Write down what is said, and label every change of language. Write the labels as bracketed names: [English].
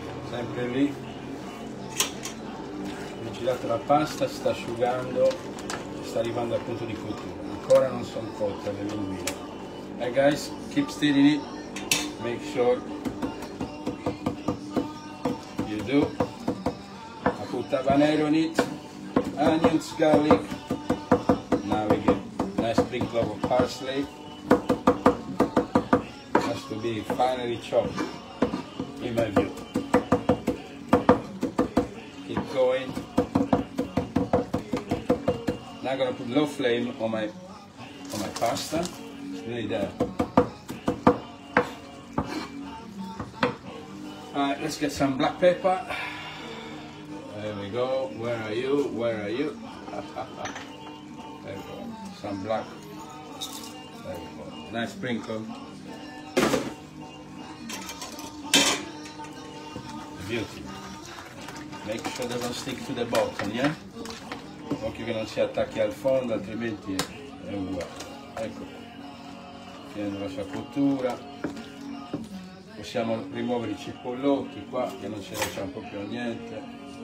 [Italian] Sempre lì, ho girato la pasta, si sta asciugando, sta arrivando al punto di cottura, ancora non sono cotte le linguine. [English] Hey guys, keep steadily, make sure you do. I put habanero on it, onions, garlic. Now we get a nice sprinkle of parsley. It has to be finely chopped, in my view. Keep going. Now I'm gonna put low flame on my pasta. Really there. Alright, let's get some black pepper. There we go. Where are you? Where are you? There we go. Some black. There we go. Nice sprinkle. Beauty. Make sure they don't stick to the bottom, yeah? [Italian] Occhio che non si attacchi al fondo, altrimenti è uguale. Ecco. Tiene la sua cottura. possiamo rimuovere i cipollotti qua, che non ce ne facciamo più niente.